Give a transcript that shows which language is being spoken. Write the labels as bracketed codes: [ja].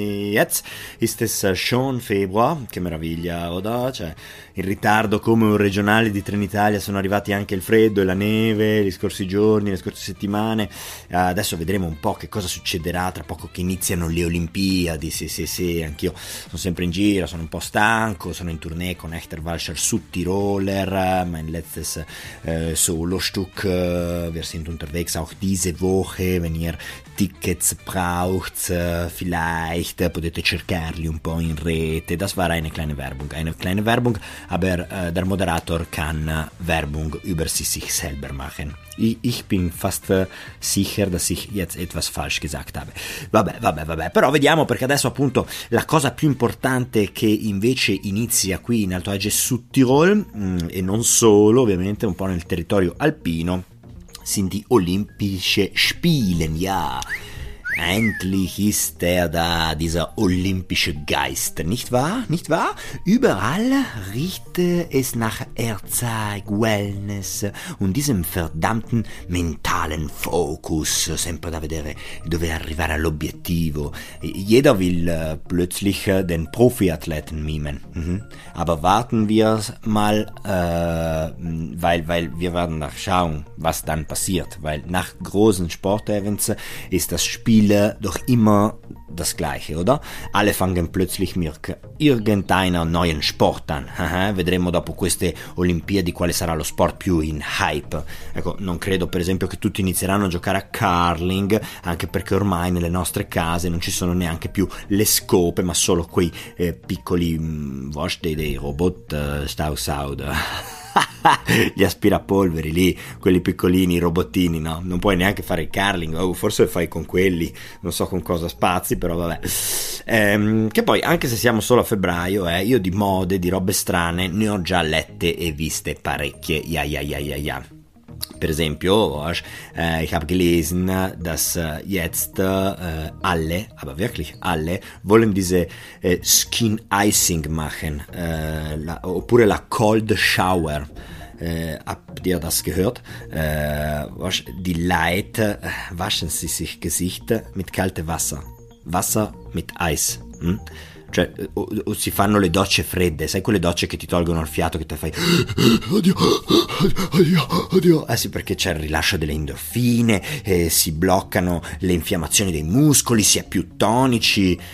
[de] Jetzt ist es schon Februar. [it] Che meraviglia, oda? Cioè, in ritardo come un regionale di Trenitalia sono arrivati anche il freddo e la neve, gli scorsi giorni, le scorse settimane. Adesso vedremo un po' che cosa succederà tra poco che iniziano le Olimpiadi. Sì, anch'io sono sempre in giro. Sono un po' stanco, sono in tournée con [de] Echter Walscher su Tiroler, mein letztes solo Stück, wir sind unterwegs auch diese Woche, wenn ihr Tickets braucht, vielleicht [it] potete cercarli un po' in rete. [de] Das war eine kleine Werbung, aber der Moderator kann Werbung über sich selber machen. Ich bin fast sicher, dass ich jetzt etwas falsch gesagt habe. [it] Vabbè, però vediamo, perché adesso appunto la cosa più importante che invece inizia qui in Alto Adige su Tirol, e non solo, ovviamente un po' nel territorio alpino, [de] sind die Olympische Spielen, ja. Endlich ist er da, dieser olympische Geist, nicht wahr? Nicht wahr? Überall riecht es nach Erzeug, Wellness und diesem verdammten mentalen Fokus. [it] Sempre da vedere dove arrivare all'obiettivo. [de] Jeder will plötzlich den Profiathleten mimen. Aber warten wir mal, weil wir werden nachschauen, was dann passiert. Weil nach großen Sportevents ist das Spiel doch immer das Gleiche, oder? Alle fangen plötzlich mit irgendeiner neuen Sport an. [it] Vedremo dopo queste Olimpiadi quale sarà lo sport più in hype. Ecco, non credo per esempio che tutti inizieranno a giocare a curling, anche perché ormai nelle nostre case non ci sono neanche più le scope, ma solo quei piccoli dei robot Stausaud. Gli aspirapolveri lì, quelli piccolini, i robottini, no? Non puoi neanche fare il curling, oh, forse lo fai con quelli, non so con cosa spazi, però vabbè. Che poi, anche se siamo solo a febbraio, io di mode, di robe strane, ne ho già lette e viste parecchie, ja. Per esempio, [de] ich habe gelesen, dass jetzt alle, aber wirklich alle, wollen diese Skin Icing machen, [it] oppure la [de] Cold Shower. Habt ihr das gehört? Die Leute waschen sich Gesicht mit kaltem Wasser. Wasser mit Eis. [it] Cioè, o si fanno le docce fredde, sai quelle docce che ti tolgono il fiato, che te fai oddio, eh sì, perché c'è il rilascio delle endorfine, si bloccano le infiammazioni dei muscoli, si è più tonici.